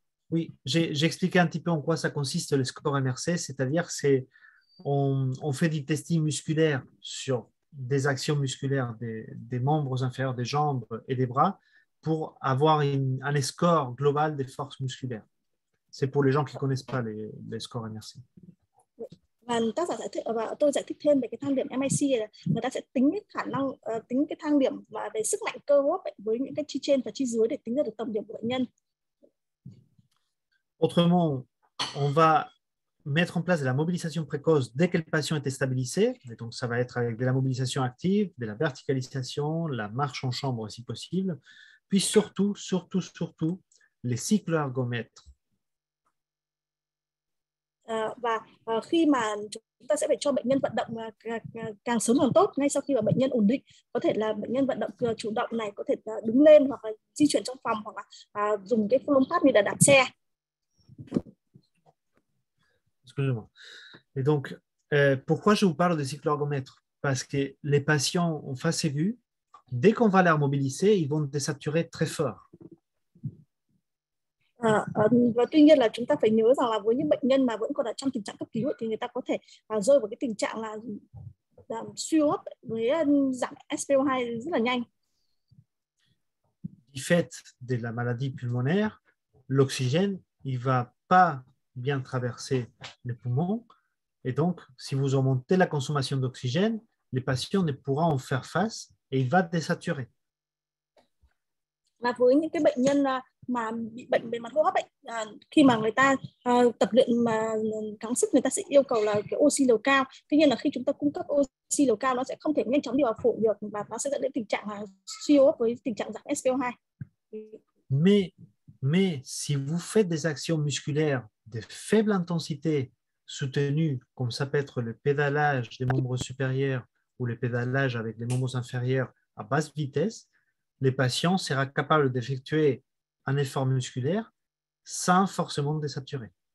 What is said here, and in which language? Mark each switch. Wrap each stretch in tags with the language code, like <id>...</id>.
<fr>Oui, j'ai expliqué un petit peu en quoi ça consiste le score MRC, c'est-à-dire on fait du testing musculaire sur des actions musculaires des membres inférieurs, des jambes et des bras, pour avoir un score global des forces musculaires. C'est pour les gens qui ne connaissent pas les scores MRC.</fr> <vi>Và tác giả giải thích và tôi giải thích thêm về cái thang điểm MIC là người ta sẽ tính cái khả năng tính cái thang điểm và về sức mạnh cơ hô hấp với những cái chi trên và chi dưới để tính ra được tổng điểm của bệnh nhân.</vi> <fr>Autrement, on va mettre en place de la mobilisation précoce dès que le patient est stabilisé. Et donc, ça va être avec de la mobilisation active, de la verticalisation, la marche en chambre si possible. Puis surtout, les cycles ergomètres.</fr> <vi>Và khi mà chúng ta sẽ phải cho bệnh nhân vận động càng sớm càng tốt ngay sau khi mà bệnh nhân ổn định, có thể là bệnh nhân vận động chủ động này có thể đứng lên hoặc là di chuyển trong phòng hoặc là dùng cái phương pháp như là đạp xe.</vi> <fr>Excusez-moi. Et donc pourquoi je vous parle de cycloergomètre? Parce que les patients en face et vue, dès qu'on va les mobiliser, ils vont désaturer très fort.</fr> <vi>Và tuy nhiên là chúng ta phải nhớ rằng là với những bệnh nhân mà vẫn còn ở trong tình trạng cấp cứu thì người ta có thể rơi vào cái tình trạng là suy hô hấp với giảm SpO2 rất là nhanh.</vi> <fr>Du fait de la maladie pulmonaire, l'oxygène il va pas bien traverser les poumons et donc si vous augmentez la consommation d'oxygène, les patients ne pourront en faire face et il va désaturer.</fr> <vi>Là với những cái bệnh nhân mà bị bệnh về mặt hô hấp ấy, khi mà người ta tập luyện mà gắng sức, người ta sẽ yêu cầu là cái oxy liều cao. Tuy nhiên là khi chúng ta cung cấp oxy liều cao, nó sẽ không thể nhanh chóng đi vào phổi được và nó sẽ dẫn đến tình trạng suy hô hấp với tình trạng giảm SpO2.</vi> <fr>Mais si vous faites des actions musculaires de faible intensité soutenues, comme ça peut être le pédalage des membres supérieurs ou le pédalage avec les membres inférieurs à basse vitesse, les patients seront capables d'effectuer un effort musculaire sans forcément désaturer.</fr>